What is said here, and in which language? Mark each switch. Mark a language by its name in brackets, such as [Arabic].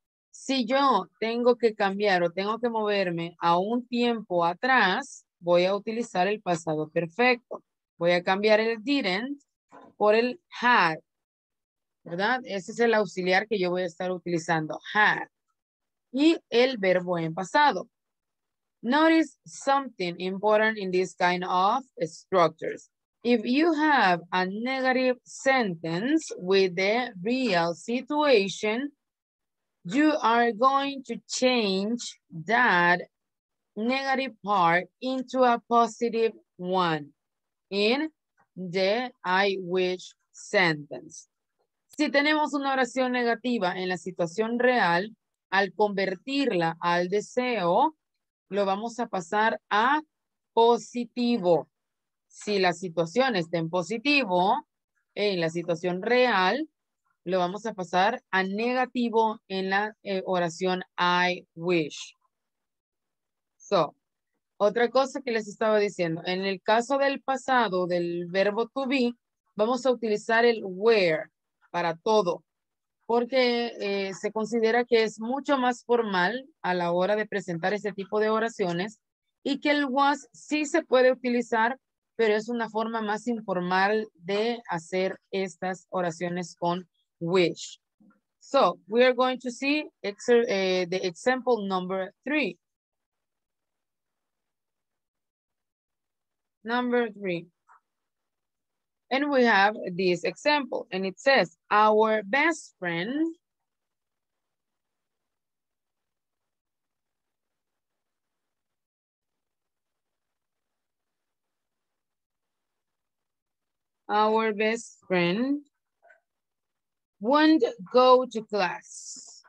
[Spanish] Si yo tengo que cambiar o tengo que moverme a un tiempo atrás, voy a utilizar el pasado perfecto. Voy a cambiar el didn't por el had, ¿verdad? Ese es el auxiliar que yo voy a estar utilizando, had. Y el verbo en pasado. [English] Notice something important in this kind of structures. If you have a negative sentence with the real situation, you are going to change that negative part into a positive one in the I wish sentence. [Spanish] Si tenemos una oración negativa en la situación real, al convertirla al deseo, lo vamos a pasar a positivo. Si la situación está en positivo, en la situación real, lo vamos a pasar a negativo en la oración I wish. So, otra cosa que les estaba diciendo, en el caso del pasado del verbo to be, vamos a utilizar el were para todo, porque se considera que es mucho más formal a la hora de presentar ese tipo de oraciones y que el was sí se puede utilizar, pero es una forma más informal de hacer estas oraciones con wish. [English] So, we are going to see the example number 3. Number And we have this example, and it says, our best friend won't go to class.